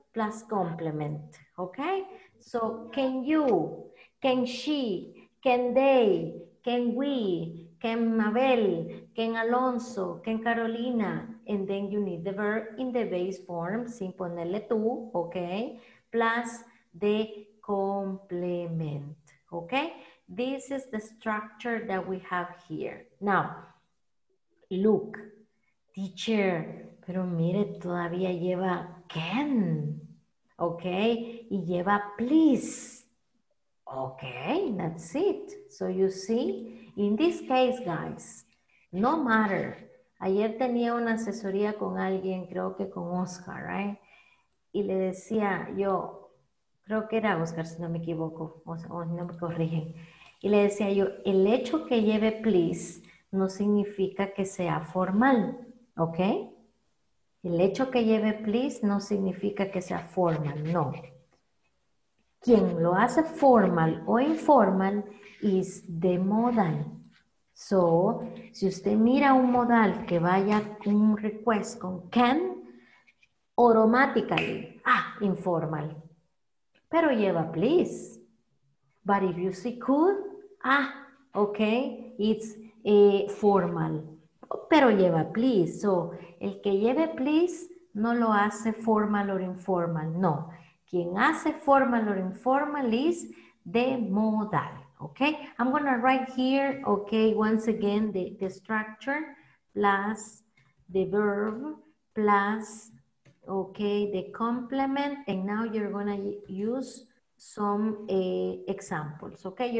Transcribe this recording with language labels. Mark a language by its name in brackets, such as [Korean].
[English] plus complement. Okay? So can you, can she, can they, can we, can Mabel, can Alonso, can Carolina, and then you need the verb in the base form, [Spanish] sin ponerle tú, [English] okay? Plus the complement, okay? This is the structure that we have here. Now, look, teacher, [Spanish] pero mire, todavía lleva [English] can, okay? [Spanish] Y lleva please. Okay, that's it. [English] So you see, in this case, guys, no matter. [Spanish] Ayer tenía una asesoría con alguien, creo que con Oscar, right? Y le decía yo, creo que era Oscar, si no me equivoco, o no me corrigen. Y le decía yo, el hecho que lleve please no significa que sea formal, okay? El hecho que lleve please no significa que sea formal, no. Quien lo hace formal o informal [English] is the modal. [Spanish] So, si usted mira un modal que vaya un request con can, automatically, informal. Pero lleva please. [English] But if you see could, okay, it's formal. [Spanish] Pero lleva please. So, el que lleve please no lo hace formal or informal, no. Quien hace [English] formal or informal is the modal, okay? I'm gonna write here, okay, once again, the structure plus the verb plus, okay, the complement, and now you're gonna use some examples, okay?